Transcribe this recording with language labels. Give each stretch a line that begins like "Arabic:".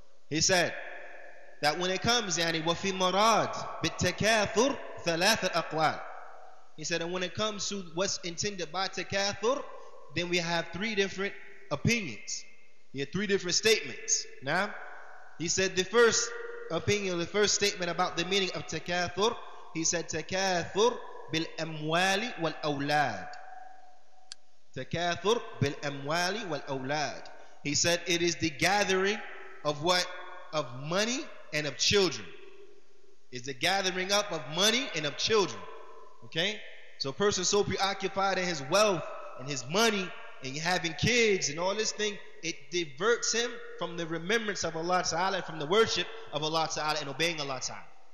English: He said that when it comes,
Arabic: يعني وفي مراد بالتكاثر ثلاثة أقوال.
English: He said, and when it comes to what's intended by takathur, then we have three different opinions. We have three different statements. Now, he said the first opinion, the first statement about the meaning of takathur, he said takathur
Arabic: بالأموال والأولاد. Takathur بالأموال والأولاد.
English: He said it is the gathering of what? Of money and of children. It's the gathering up of money and of children. Okay? So a person so preoccupied in his wealth and his money and having kids and all this thing, it diverts him from the remembrance of Allah Ta'ala and from the worship of Allah Ta'ala and obeying Allah Ta'ala.